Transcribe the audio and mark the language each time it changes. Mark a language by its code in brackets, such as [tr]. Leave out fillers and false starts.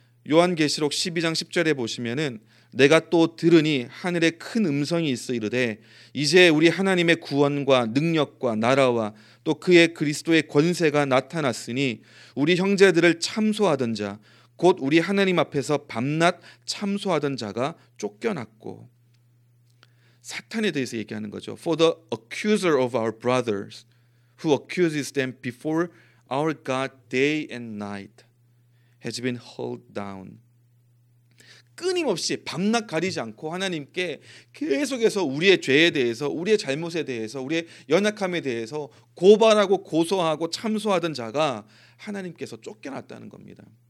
[ko] 요한계시록 12장 10절에 보시면은 내가 또 들으니 하늘에 큰 음성이 있어 이르되 이제 우리 하나님의 구원과 능력과 나라와 또 그의 그리스도의 권세가 나타났으니 우리 형제들을 참소하던 자 곧 우리 하나님 앞에서 밤낮 참소하던 자가 쫓겨났고. 사탄에 대해서 얘기하는 거죠. [en] For the accuser of our brothers who accuses them before our God day and night has been held down. [ko] 끊임없이 밤낮 가리지 않고 하나님께 계속해서 우리의 죄에 대해서 우리의 잘못에 대해서 우리의 연약함에 대해서 고발하고 고소하고 참소하던 자가 하나님께서 쫓겨났다는 겁니다.